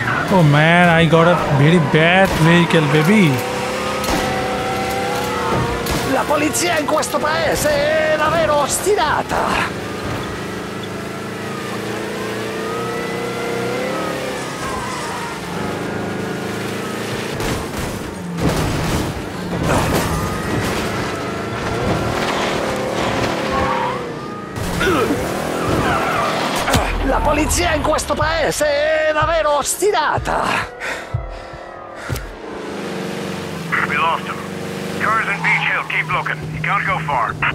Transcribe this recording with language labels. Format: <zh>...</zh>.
<en>Oh man, I got a very bad vehicle, baby.</en> <it>La polizia in questo paese è davvero ostinata. Polizia in questo paese è davvero ostinata!</it> <en>We lost him. Cars in Beach Hill, keep looking. He can't go far.</en>